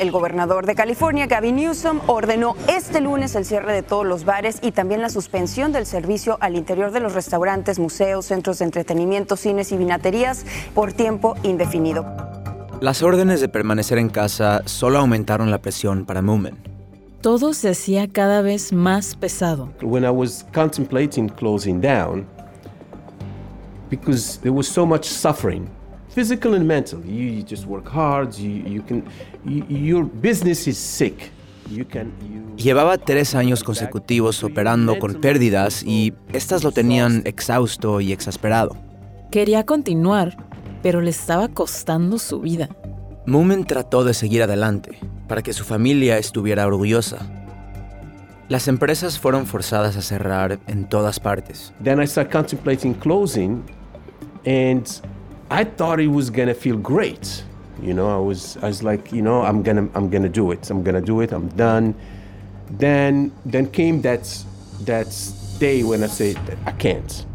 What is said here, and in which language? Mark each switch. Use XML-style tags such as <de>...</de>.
<es>El gobernador de California, Gavin Newsom, ordenó este lunes el cierre de todos los bares y también la suspensión del servicio al interior de los restaurantes, museos, centros de entretenimiento, cines y vinaterías por tiempo indefinido. Las órdenes de permanecer en casa solo aumentaron la presión para Moomin. Todo se hacía cada vez más pesado.</es> <en>When I was contemplating closing down, because there was so much suffering, physical and mental. You just work hard. Your business is sick.</en> <es>Llevaba 3 años consecutivos operando con pérdidas y estas lo tenían exhausto y exasperado. Quería continuar, pero le estaba costando su vida. Moomin trató de seguir adelante para que su familia estuviera orgullosa. Las empresas fueron forzadas a cerrar en todas partes.</es> <en>Then I started contemplating closing, and I thought it was gonna feel great. You know, I was like, you know, I'm gonna do it, I'm done. Then came that day when I said I can't.</en>